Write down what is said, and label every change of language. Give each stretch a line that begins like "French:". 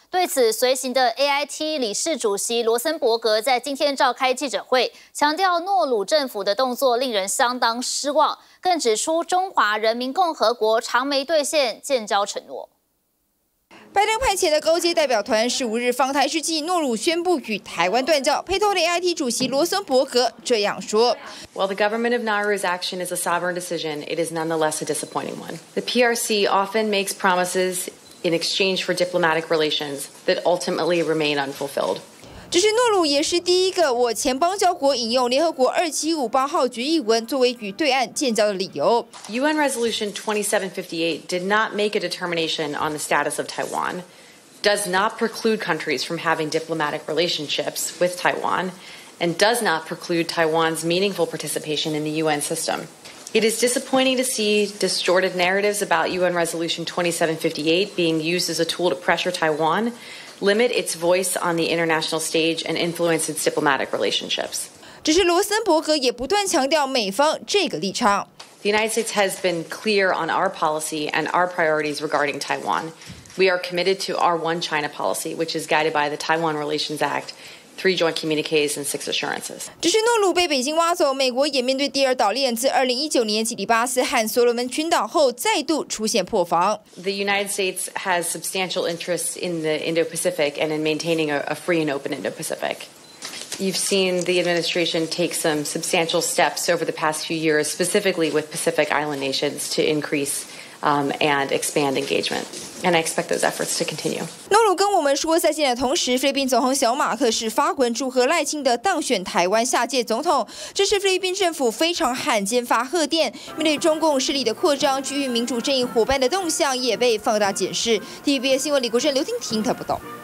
Chinese: 对此，随行的 AIT 理事主席罗森伯格在今天召开记者会，强调诺鲁政府的动作令人相当失望，更指出中华人民共和国长没兑现建交承诺。拜登派遣的高阶代表团15日访台之际，诺鲁宣布与台湾断交，陪同的 AIT 主席罗森伯格这样说。
English: While the government of Nauru's action is a sovereign decision, it is nonetheless a disappointing one. The PRC often makes promises in exchange for diplomatic relations that ultimately remain unfulfilled.
Chinese: 只是诺鲁也是第一个我前邦交国引用联合国2758号决议文作为与对岸建交的理由。
English: UN Resolution 2758 did not make a determination on the status of Taiwan, does not preclude countries from having diplomatic relationships with Taiwan, and does not preclude Taiwan's meaningful participation in the UN system. It is disappointing to see distorted narratives about UN Resolution 2758 being used as a tool to pressure Taiwan. limit its voice on the international stage and influence its diplomatic relationships.
Chinese: 只是罗森伯格也不断强调美方这个立场。
English: The United States has been clear on our policy and our priorities regarding Taiwan. We are committed to our One China policy, which is guided by the Taiwan Relations Act, 3 joint communiques and 6 assurances.
Chinese: 只是诺鲁被北京挖走，美国也面对第二岛链自2019年基里巴斯和所罗门群岛后再度出现破防。
English: The United States has substantial interests in the Indo-Pacific and in maintaining a free and open Indo-Pacific. You've seen the administration take some substantial steps over the past few years, specifically with Pacific Island nations, to increase. And expand engagement, and I expect those efforts to continue.
Chinese: 诺鲁跟我们说再见的同时，菲律宾总统小马克是发文祝贺赖清德当选台湾下届总统，这是菲律宾政府非常罕见发贺电。面对中共势力的扩张，区域民主阵营伙伴的动向也被放大检视。 TVBS 新闻李国珍、刘婷婷报道。